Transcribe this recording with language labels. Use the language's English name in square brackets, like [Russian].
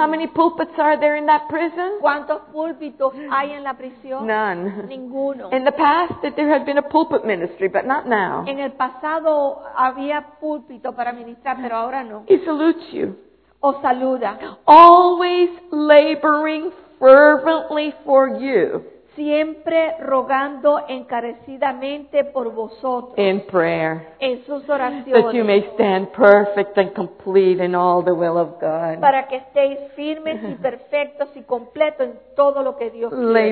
[English] How many pulpits are there in that prison? [Spanish] ¿Cuántos púlpitos hay en la prisión? [English] None. [Spanish] Ninguno. [English] In the past, that there had been a pulpit ministry, but not now. [Spanish] En el pasado había púlpito para ministrar, pero ahora no. [English] He salutes you. [Spanish] O saluda. [English] Always laboring fervently for you. [Spanish] Siempre rogando encarecidamente por vosotros. [English] In prayer. [Spanish] En sus oraciones. [English] That you may stand perfect and complete in all the will of God. [Spanish] Para que estéis firmes y perfectos y completos en todo lo que Dios quiere.